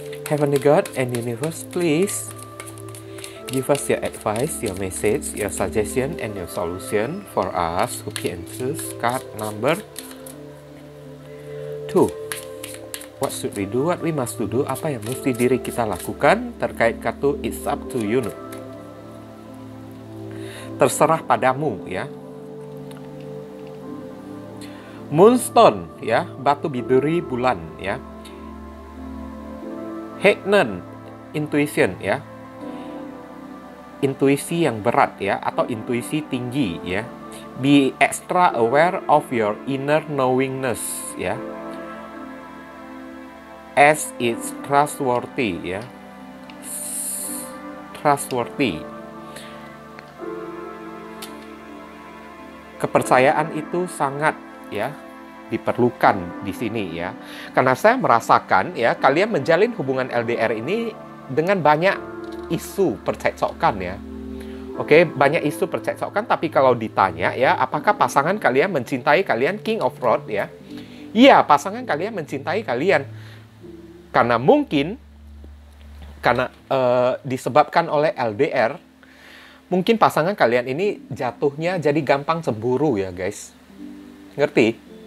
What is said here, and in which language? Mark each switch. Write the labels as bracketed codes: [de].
[en] Heavenly God and Universe, please give us your advice, your message, your suggestion, and your solution for us who can choose card number 2. What should we do? What we must do? [id] Apa yang mesti diri kita lakukan terkait kartu It's Up to You? Terserah padamu, ya. Moonstone, ya, batu biduri bulan, ya. Hetman, intuition ya, intuisi yang berat ya, atau intuisi tinggi ya. [en] Be extra aware of your inner knowingness ya, as it's trustworthy ya, trustworthy. [id] Kepercayaan itu sangat ya diperlukan di sini ya, karena saya merasakan ya kalian menjalin hubungan LDR ini dengan banyak isu percekcokan ya. Oke, banyak isu percekcokan, tapi kalau ditanya ya apakah pasangan kalian mencintai kalian, King of Rod ya, iya pasangan kalian mencintai kalian, karena mungkin karena disebabkan oleh LDR, mungkin pasangan kalian ini jatuhnya jadi gampang cemburu ya guys, ngerti?